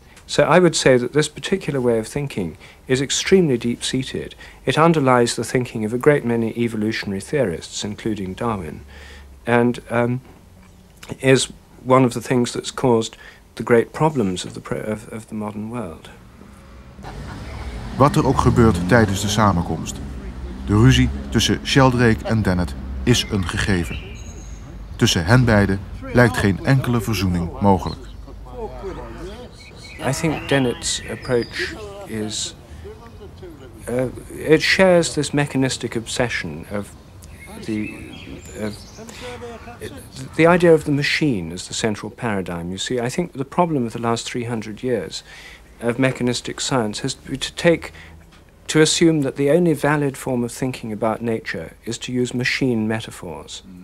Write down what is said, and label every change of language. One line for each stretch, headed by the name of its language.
English: So I would say that this particular way of thinking is extremely deep-seated. It underlies the thinking of a great many evolutionary theorists, including Darwin, and is one of the things that's caused the great problems of the modern world.
Dutch: Wat er ook gebeurt tijdens de samenkomst, de ruzie tussen Sheldrake en Dennett is een gegeven. Tussen hen beiden lijkt geen enkele verzoening mogelijk.
English: I think Dennett's approach is it shares this mechanistic obsession of the idea of the machine as the central paradigm. You see, I think the problem of the last 300 years of mechanistic science has been to assume that the only valid form of thinking about nature is to use machine metaphors.